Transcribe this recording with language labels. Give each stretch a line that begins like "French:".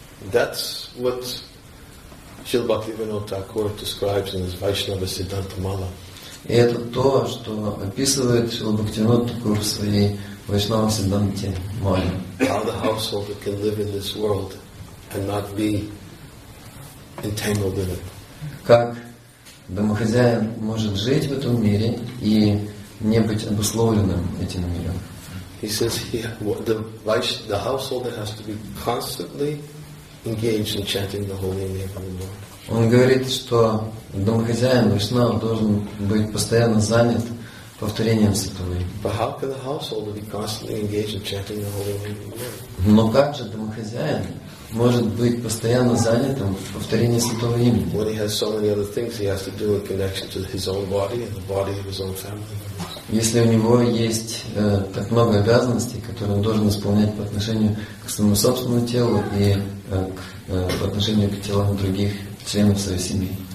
English: That's what Śrīla Bhaktivinoda Thakura describes in his Vaishnava Siddhanta Mala.
Russian: И это то, что описывает Śrīla Bhaktivinoda Thakura в своей Vaishnava Siddhanta Mala.
English: How the householder can live in this world and not be entangled in it.
Russian: Как домохозяин может жить в этом мире и не быть обусловленным этим миром?
English: He says the householder has to be constantly engaged in chanting the holy name of the Lord.
Russian: Он говорит, что домохозяин вайшнав должен быть постоянно занят повторением святого имени.
English: But how can the householder be constantly engaged in chanting the holy name of the Lord?
Russian: Но как же домохозяин может быть постоянно занятым в повторении святого имени?
English: When he has so many other things he has to do in connection to his own body and the body of his own family members.
Russian: если у него есть так много обязанностей, которые он должен исполнять по отношению к своему собственному телу и по отношению к телам других членов своей семьи.